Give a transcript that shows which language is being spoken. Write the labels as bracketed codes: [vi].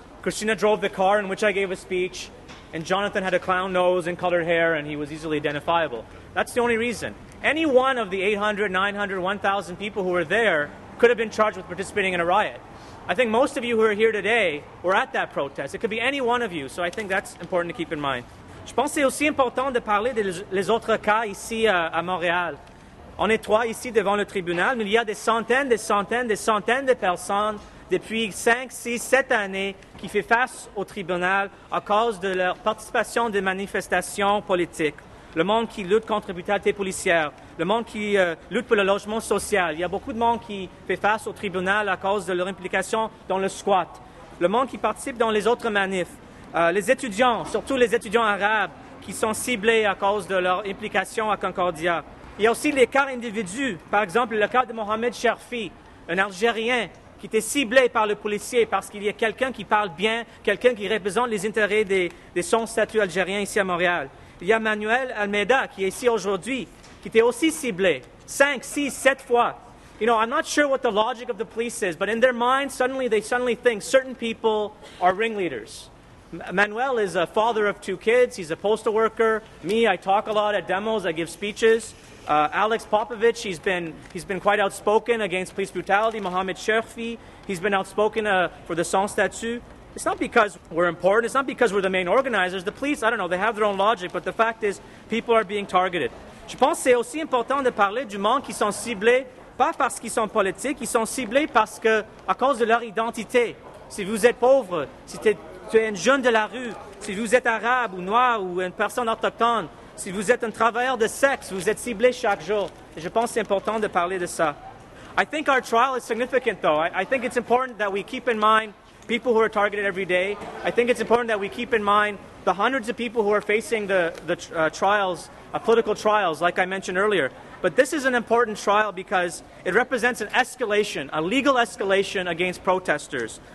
[en] Christina drove the car in which I gave a speech, and Jonathan had a clown nose and colored hair, and he was easily identifiable. That's the only reason. Any one of the 800, 900, 1,000 people who were there could have been charged with participating in a riot. I think most of you who are here today were at that protest. It could be any one of you, so I think that's important to keep in mind. [fr] Je pense que c'est aussi important de parler des autres cas ici à Montréal. On est trois ici devant le tribunal, mais il y a des centaines, des centaines, des centaines de personnes depuis 5, 6, 7 années qui fait face au tribunal à cause de leur participation à des manifestations politiques. Le monde qui lutte contre la brutalité policière, le monde qui lutte pour le logement social. Il y a beaucoup de monde qui fait face au tribunal à cause de leur implication dans le squat. Le monde qui participe dans les autres manifs. Les étudiants, surtout les étudiants arabes, qui sont ciblés à cause de leur implication à Concordia. Il y a aussi les cas individus. Par exemple, le cas de Mohamed Cherfi, un Algérien, qui était ciblé par le policier parce qu'il y a quelqu'un qui parle bien, quelqu'un qui représente les intérêts de son statut algérien ici à Montréal. Il y a Manuel Almeida, qui est ici aujourd'hui, qui était aussi ciblé 5, 6, 7 fois. [en] You know, I'm not sure what the logic of the police is, but in their mind, they suddenly think certain people are ringleaders. Manuel is a father of 2 kids. He's a postal worker. Me, I talk a lot at demos. I give speeches. Alex Popovich, he's been quite outspoken against police brutality. Mohamed Cherfi, he's been outspoken for the sans statut. It's not because we're important. It's not because we're the main organizers. The police, I don't know, they have their own logic. But the fact is, people are being targeted. [fr] Je pense que c'est aussi important de parler du monde qui sont ciblés, pas parce qu'ils sont politiques, ils sont ciblés parce que, à cause de leur identité. Si vous êtes pauvre, si tu es un jeune de la rue, si vous êtes arabe ou noir ou une personne autochtone, si vous êtes un travailleur de sexe, vous êtes ciblé chaque jour. Et je pense que c'est important de parler de ça. [en] I think our trial is significant, though. I think it's important that we keep in mind people who are targeted every day. I think it's important that we keep in mind the hundreds of people who are facing the trials, political trials, like I mentioned earlier. But this is an important trial because it represents an escalation, a legal escalation against protesters.